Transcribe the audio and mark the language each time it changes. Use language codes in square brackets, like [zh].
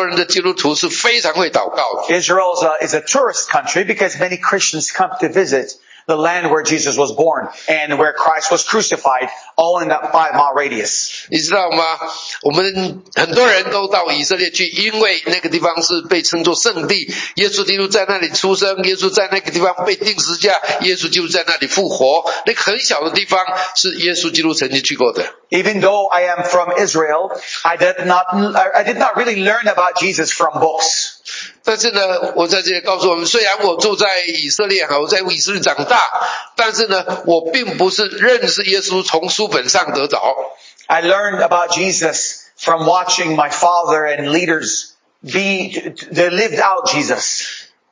[zh] 我在以色列的特别遇见很多亚洲人的基督徒，我知道亚洲人的基督徒是非常会祷告的。Israel [en] is a tourist country because many Christians come to visit the land where Jesus was born and where Christ was crucified, all in that 5-mile radius. [zh] 你知道吗？我们很多人都到以色列去，因为那个地方是被称作圣地。耶稣基督在那里出生，耶稣在那个地方被钉十字架，耶稣基督在那里复活。那个很小的地方是耶稣基督曾经去过的。 [en] Even though I am from Israel, I did not really learn about Jesus from books. [zh] 但是呢，我在这里告诉我们，虽然我住在以色列，我在以色列长大，但是呢，我并不是认识耶稣从书本上得着。 [en] I learned about Jesus from watching my father and leaders be they lived out Jesus.